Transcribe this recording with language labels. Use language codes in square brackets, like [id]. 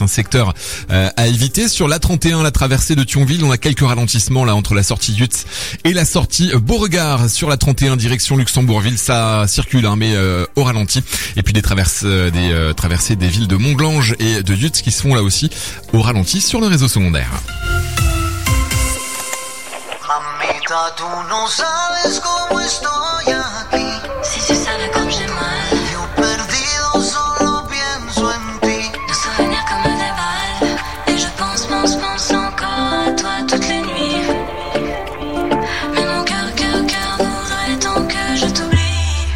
[fr] Un secteur à éviter. Sur la 31, la traversée de Thionville, on a quelques ralentissements là entre la sortie Yutz et la sortie Beauregard. Sur la 31, direction Luxembourgville, ça circule hein, mais au ralenti. Et puis des traversées des villes de Montglange et de Yutz qui se font là aussi au ralenti sur le réseau secondaire. [es] Mamita, tu no sabes cómo estoy aquí. Si se sabe cómo [fr] j'ai mal. [es] Yo perdido solo pienso en ti. [fr] Nos souvenirs comme des balles. Et je pense encore à toi toutes les nuits. Mais mon cœur voudrait tant que je t'oublie.